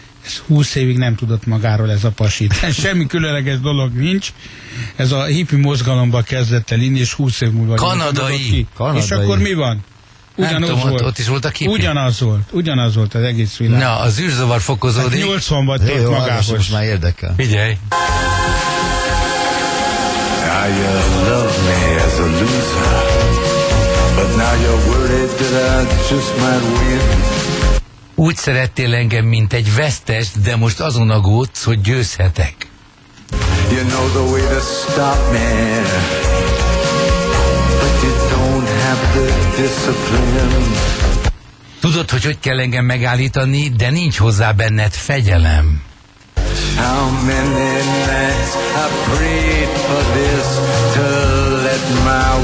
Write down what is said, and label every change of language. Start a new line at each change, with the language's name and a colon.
Hungarian: Ez 20 évig nem tudott magáról ez a pasi. Semmi különleges dolog nincs. Ez a hippi mozgalomba kezdett el inni, és 20 év múlva... Kanadai. És akkor mi van? Ugyanaz volt. Ott is volt a hippi. Ugyanaz volt az egész világ. Na, az űrzavar fokozódik. Hát 80-ban tört magához. Most már érdekel. Figyelj!
English: Now you love me as a loser, but now you're worried that I just might win.
Hungarian: Úgy szerettél engem, mint egy vesztes, de most azon aggódsz, hogy győzhetek.
English: You know the way to stop me, but you don't have the discipline.
Hungarian: Tudod, hogy kell engem megállítani, de nincs hozzá benned fegyelem.
English: How many nights I prayed for this to let my